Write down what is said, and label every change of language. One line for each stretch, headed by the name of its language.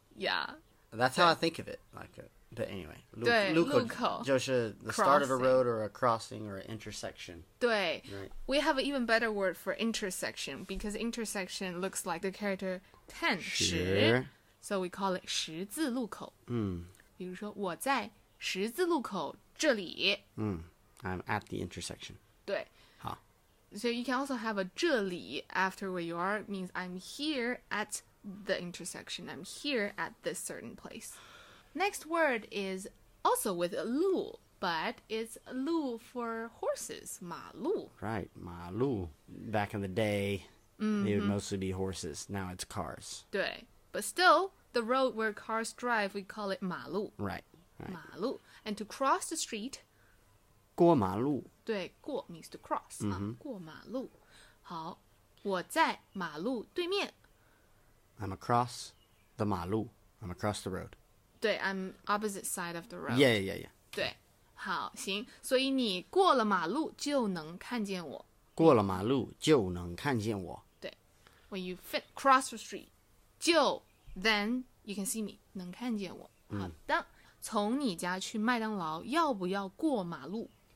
English: Yeah. That's how I think of it. Like, but anyway.
Chinese: 对路口就是
English: the start of a road or a crossing or an intersection.
Chinese: 对
English: right. We have an even better word for intersection because intersection looks like the character 10. Sure. So we call it 十字路口、
Chinese: 比如说我在十字路口这里、
English: I'm at the intersection.
Chinese: 对好
English: So you can also have a 这里 after where you are. It means I'm here at... The intersection. I'm here at this certain place. Next word is also with 路 but it's 路 for horses.
Chinese: 马路
English: Right, 马路 Back in the day,、 mm-hmm. it would mostly be horses. Now it's cars. 对 But still, The road where cars drive, we call it 马路 Right. 马路 And to cross the street,
Chinese: 过马路
English: 对过 means to cross,、mm-hmm.
Chinese: 过马路好我在马路对面
English: I'm across the 马路 I'm across the road. 对 I'm opposite side of the road. Yeah, yeah, yeah.
Chinese: 对好行所以你过了马路就能看见我过了马路就能看见我
English: 对 When you fit cross the street, 就 then you can see me,
Chinese: 能看见我、 mm. 好的从你家去麦当劳要不要过马路